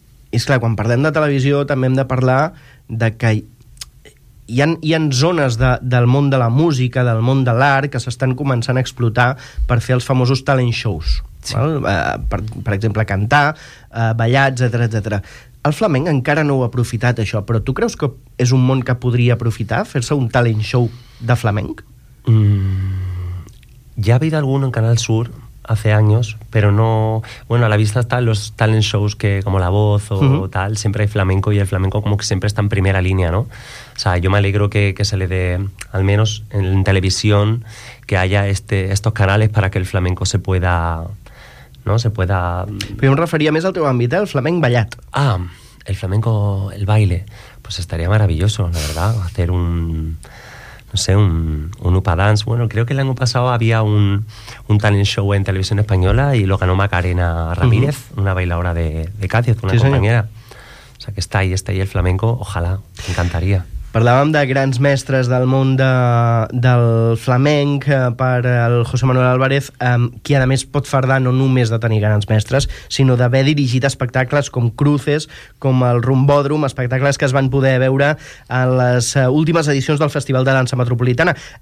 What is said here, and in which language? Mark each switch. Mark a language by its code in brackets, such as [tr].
[es] Es claro, cuando [ca] parlem de [es] televisión también [ca] hem de parlar de que hi ha zones del món de la música, del món de l'art, que s'estan començant a explotar per fer els famosos talent shows. Sí. Val? Per exemple, cantar, ballar, etcètera, etcètera. El flamenc encara no ho ha aprofitat, això, però tu creus que és un món que podria aprofitar, fer-se un talent show de flamenc? [es] Ya ha habido alguno en Canal Sur hace años, pero no... Bueno, a la vista están los talent shows que, como La Voz o uh-huh. tal, siempre hay flamenco y el flamenco como que siempre está en primera línea, ¿no? O sea, yo me alegro que se le dé, al menos en televisión, que haya estos canales para que el flamenco se pueda... No se pueda... [ca] Però jo em referia més al teu àmbit, el flamenc ballat. [es] Ah, el flamenco, el baile. Pues estaría maravilloso, la verdad, hacer un... No sé, un UPA Dance. Bueno, creo que el año pasado había un talent show en Televisión Española y lo ganó Macarena Ramírez, uh-huh. una bailadora de Cádiz, una sí, compañera. Señor. O sea, que está ahí el flamenco, ojalá, me encantaría. [ca] Parlàvem de grans mestres del món del flamenc per el José Manuel Álvarez, qui a més pot fardar no només de tenir grans mestres, sinó d'haver dirigit espectacles com Cruces, com el Rumbòdrom, espectacles que es van poder veure a les últimes edicions del Festival de Dansa Metropolitana.